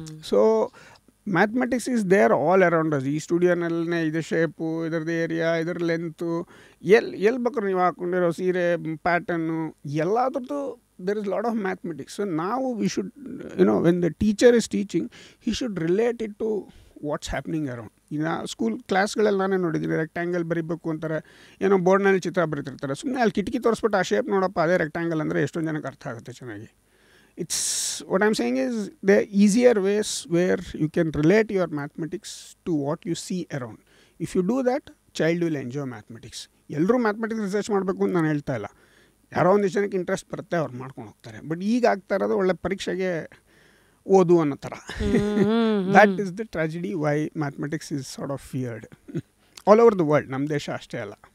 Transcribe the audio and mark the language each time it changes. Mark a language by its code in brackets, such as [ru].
[en] So mathematics is there all around us. [kn] ಈ ಸ್ಟುಡಿಯೋನಲ್ಲೇ ಇದು shape, ಇದರದ್ದು ಏರಿಯಾ, ಇದರ ಲೆಂತು, ಎಲ್ಲಿ ಬೇಕಾದ್ರೂ ನೀವು ಹಾಕೊಂಡಿರೋ ಸೀರೆ pattern ಎಲ್ಲದ್ರದ್ದು [en] There is lot of mathematics. [kn] ನಾವು [en] We should you know when the teacher is teaching he should relate it to what's happening around. [kn] ಈಗ ಸ್ಕೂಲ್ ಕ್ಲಾಸ್ಗಳಲ್ಲಿ ನಾನೇ ನೋಡಿದ್ದೀನಿ, ರೆಕ್ಟ್ಯಾಂಗಲ್ ಬರಿಬೇಕು ಅಂತಾರೆ, ಏನೋ ಬೋರ್ಡ್ನಲ್ಲಿ ಚಿತ್ರ ಬರೀತಿರ್ತಾರೆ, ಸುಮ್ಮನೆ ಅಲ್ಲಿ ಕಿಟಕಿ ತೋರಿಸ್ಬಿಟ್ಟು ಆ ಶೇಪ್ ನೋಡಪ್ಪ ಅದೇ ರೆಕ್ಟ್ಯಾಂಗಲ್ ಅಂದರೆ ಎಷ್ಟೊಂದು ಜನಕ್ಕೆ ಅರ್ಥ ಆಗುತ್ತೆ ಚೆನ್ನಾಗಿ. [en] It's what I'm saying is the easier ways where you can relate your mathematics to what you see around. If you do that, child will enjoy mathematics. [kn] ಎಲ್ಲರೂ ಮ್ಯಾಥಮೆಟಿಕ್ಸ್ ರಿಸರ್ಚ್ ಮಾಡಬೇಕು ಅಂತ ನಾನು ಹೇಳ್ತಾ ಇಲ್ಲ. ಯಾರೋ ಒಂದು ಜನಕ್ಕೆ ಇಂಟ್ರೆಸ್ಟ್ ಬರುತ್ತೆ, ಅವ್ರು ಮಾಡ್ಕೊಂಡು ಹೋಗ್ತಾರೆ. ಬಟ್ ಈಗ ಆಗ್ತಾ ಇರೋದು ಒಳ್ಳೆ ಪರೀಕ್ಷೆಗೆ ಓದು ಅನ್ನೋ ಥರ. [en] That is the tragedy why mathematics is sort of feared all over the world. [kn] ನಮ್ಮ ದೇಶ ಅಷ್ಟೇ ಅಲ್ಲ.